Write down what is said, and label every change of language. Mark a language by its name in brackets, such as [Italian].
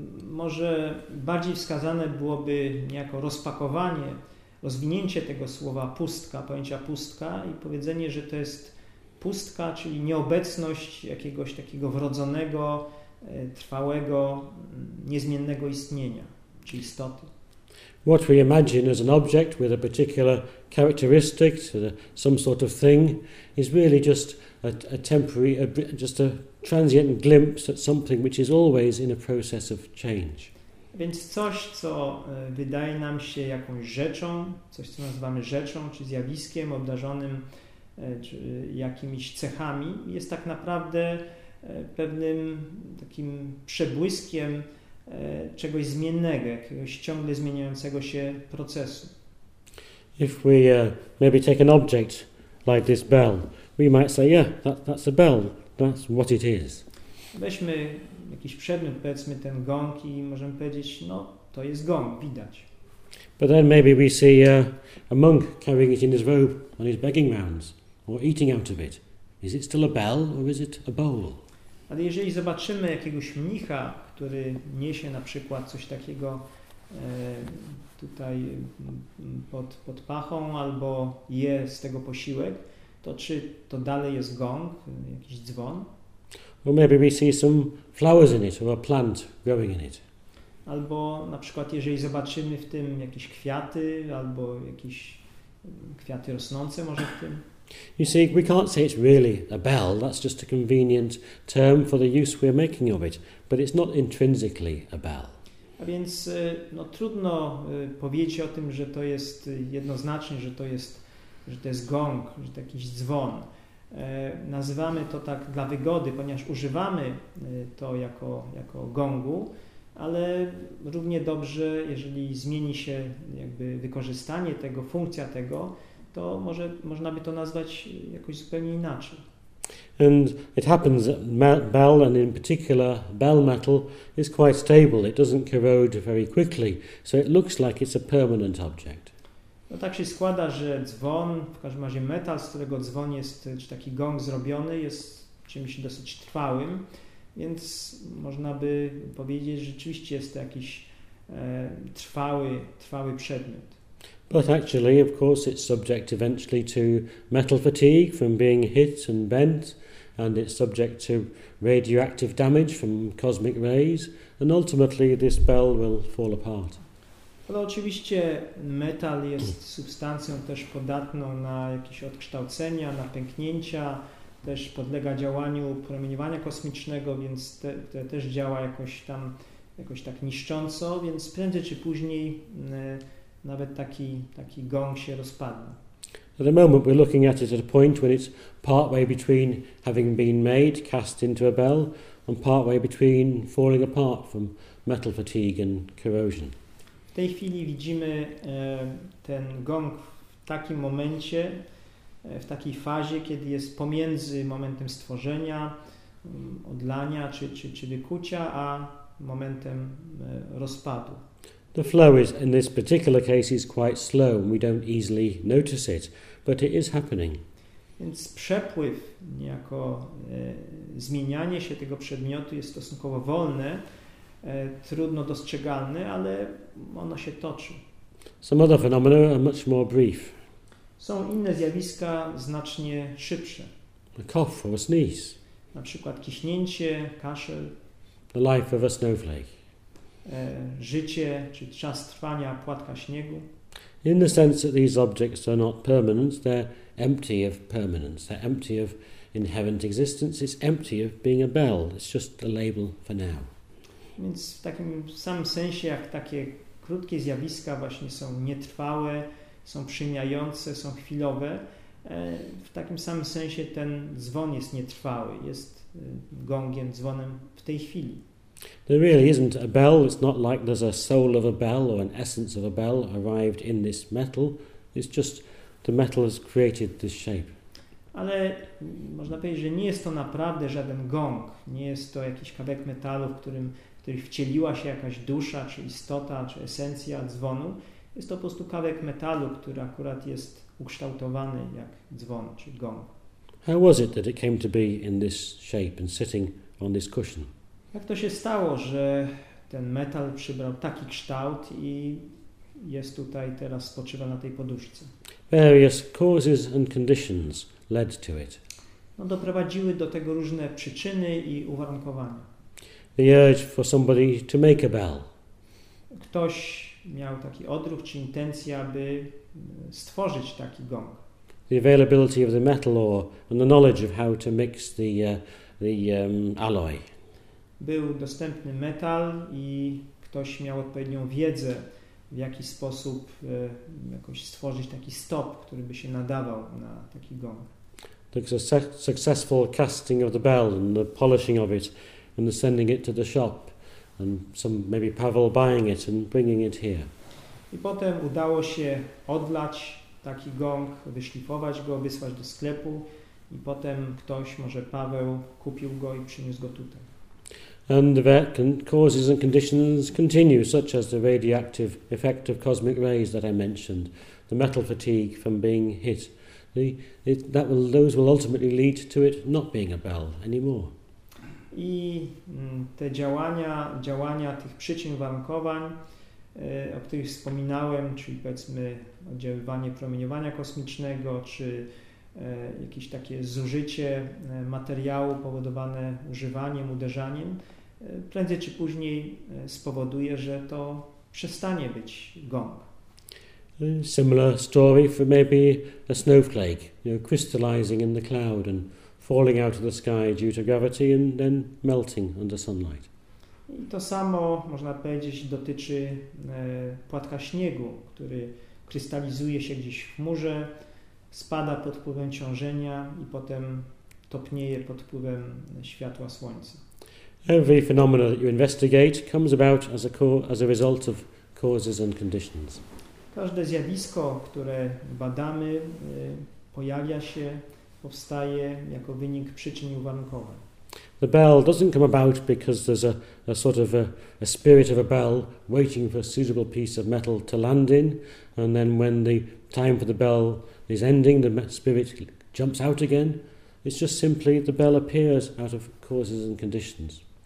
[Polish] Może bardziej wskazane byłoby niejako rozpakowanie, rozwinięcie tego słowa pustka, pojęcia pustka i powiedzenie, że to jest pustka, czyli nieobecność jakiegoś takiego wrodzonego, trwałego, niezmiennego istnienia, czy istoty. [English] What we imagine as an object with a particular characteristic, some sort of thing, is really just a temporary, just a transient glimpse at something which is always in a process of change. [Polish] Więc coś, co wydaje nam się jakąś rzeczą, coś, co nazywamy rzeczą, czy zjawiskiem obdarzonym czy jakimiś cechami, jest tak naprawdę pewnym takim przebłyskiem czegoś zmiennego, jakiegoś ciągle zmieniającego się procesu. [English] If we maybe take an object like this bell, we might say, yeah, that's a bell. That's what it is. [Polish] Weźmy jakiś przedmiot, powiedzmy ten gong, i możemy powiedzieć, no, to jest gong, widać. [English] But then maybe we see a monk carrying it in his robe on his begging rounds, or eating out of it. Is it still a bell, or is it a bowl? [Polish] Ale jeżeli zobaczymy jakiegoś mnicha, który niesie na przykład coś takiego tutaj pod pachą, albo je z tego posiłek, to czy to dalej jest gong, jakiś dzwon? [English] Well, maybe we see some flowers in it, or a plant growing in it. [Polish] Albo na przykład, jeżeli zobaczymy w tym jakieś kwiaty, albo jakieś kwiaty rosnące może w tym? [English] You see, we can't say it's really a bell, that's just a convenient term for the use we're making of it, but it's not intrinsically a bell. [Polish] A więc no, trudno powiedzieć o tym, że to jest jednoznacznie, że to jest gong, że to jakiś dzwon. Nazywamy to tak dla wygody, ponieważ używamy to jako gongu, ale równie dobrze, jeżeli zmieni się jakby wykorzystanie tego, funkcja tego, to może można by to nazwać jakoś zupełnie inaczej. [English] And it happens that bell, and in particular bell metal, is quite stable. It doesn't corrode very quickly, so it looks like it's a permanent object. [Polish] No tak się składa, że dzwon, w każdym razie metal, z którego dzwon jest, czy taki gong zrobiony, jest czymś dosyć trwałym, więc można by powiedzieć, że rzeczywiście jest to jakiś trwały przedmiot. [English] But actually, of course, it's subject eventually to metal fatigue from being hit and bent, and it's subject to radioactive damage from cosmic rays, and ultimately this bell will fall apart. [Polish] Ale oczywiście metal jest substancją też podatną na jakieś odkształcenia, na pęknięcia, też podlega działaniu promieniowania kosmicznego, więc to też działa jakoś tam, jakoś tak niszcząco, więc prędzej czy później nawet taki gong się rozpadnie. [English] At the moment we're looking at it at a point when it's partway between having been made, cast into a bell, and partway between falling apart from metal fatigue and corrosion. [Polish] W tej chwili widzimy ten gong w takim momencie, w takiej fazie, kiedy jest pomiędzy momentem stworzenia, odlania czy wykucia, a momentem rozpadu. [English] The flow is, in this particular case, is quite slow. We don't easily notice it, but it is happening. [Polish] Więc przepływ, niejako zmienianie się tego przedmiotu jest stosunkowo wolne, trudno dostrzegalne, ale ono się toczy. [English] Some other phenomena are much more brief. [Polish] Są inne zjawiska znacznie szybsze. [English] A cough or a sneeze. [Polish] Na przykład kichnięcie, kaszel. [English] The life of a snowflake. [Polish] Życie czy czas trwania płatka śniegu. [English] In the sense that these objects are not permanent, they're empty of permanence, they're empty of inherent existence, it's empty of being a bell, it's just a label for now. [Polish] Więc w takim samym sensie, jak takie krótkie zjawiska właśnie są nietrwałe, są przemijające, są chwilowe, w takim samym sensie ten dzwon jest nietrwały, jest gongiem, dzwonem w tej chwili. [English] There really isn't a bell. It's not like there's a soul of a bell or an essence of a bell arrived in this metal. It's just the metal has created this shape. [Polish] Ale można powiedzieć, że nie jest to naprawdę żaden gong. Nie jest to jakiś kawałek metalu, w który wcieliła się jakaś dusza, czy istota, czy esencja dzwonu. Jest to po prostu kawałek metalu, który akurat jest ukształtowany jak dzwon, czy gong. [English] How was it that it came to be in this shape and sitting on this cushion? [Polish] Jak to się stało, że ten metal przybrał taki kształt i jest tutaj teraz, spoczywa na tej poduszce? [English] Various causes and conditions led to it. [Polish] No, doprowadziły do tego różne przyczyny i uwarunkowania. [English] The urge for somebody to make a bell. [Polish] Ktoś miał taki odruch czy intencję, aby stworzyć taki gong. [English] The availability of the metal ore and the knowledge of how to mix the alloy. [Polish] Był dostępny metal i ktoś miał odpowiednią wiedzę, w jaki sposób jakoś stworzyć taki stop, który by się nadawał na taki gong. [English] The successful casting of the bell and the polishing of it and the sending it to the shop and some maybe Pavel buying it and bringing it here. [Polish] I potem udało się odlać taki gong, wyszlifować go, wysłać do sklepu i potem ktoś, może Paweł, kupił go i przyniósł go tutaj. [English] And the causes and conditions continue, such as the radioactive effect of cosmic rays that I mentioned, the metal fatigue from being hit. Those will ultimately lead to it not being a bell anymore. [Polish] I te działania tych przyczyn warunkowań, o których wspominałem, czyli powiedzmy oddziaływanie promieniowania kosmicznego, czy jakieś takie zużycie materiału powodowane używaniem, uderzaniem, prędzej czy później spowoduje, że to przestanie być gong. [English] Similar story for maybe a snowflake, you know, crystallizing in the cloud and falling out of the sky due to gravity and then melting under sunlight. [Polish] I to samo, można powiedzieć, dotyczy płatka śniegu, który krystalizuje się gdzieś w chmurze, spada pod wpływem ciążenia i potem topnieje pod wpływem światła słońca. [English] Every phenomenon that you investigate comes about as a result of causes and conditions. [Polish] Każde zjawisko, które badamy, pojawia się, powstaje jako wynik przyczyn i uwarunkowań. [English] The bell doesn't come about because there's a sort of a spirit of a bell waiting for a suitable piece of metal to land in, and then when the time for the bell is ending, the spirit jumps out again. It's just simply the bell appears out of causes and conditions.